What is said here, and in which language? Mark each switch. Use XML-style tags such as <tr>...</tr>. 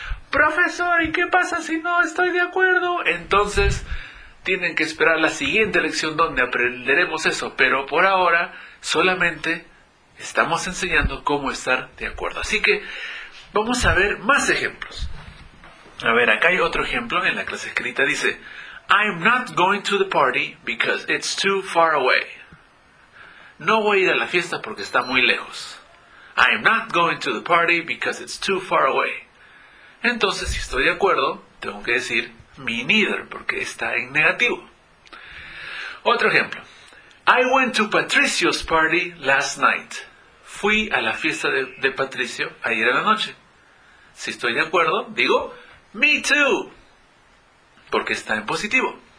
<es>Profesor, ¿y qué pasa si no estoy de acuerdo? Entonces, tienen que esperar la siguiente lección donde aprenderemos eso. Pero por ahora, solamente estamos enseñando cómo estar de acuerdo. Así que vamos a ver más ejemplos. A ver, acá hay otro ejemplo en la clase escrita. Dice,</es> <en>I'm not going to the party because it's too far away.</en> <es>No voy a ir a la fiesta porque está muy lejos.</es> <en>I'm not going to the party because it's too far away.</en> <es>Entonces, si estoy de acuerdo, tengo que decir</es> <en>me neither</en> <es>porque está en negativo. Otro ejemplo.</es> <en>I went to Patricio's party last night.</en> <es>Fui a la fiesta de Patricio ayer en la noche. Si estoy de acuerdo, digo,</es> <en>me too,</en> <es>porque está en positivo.</es>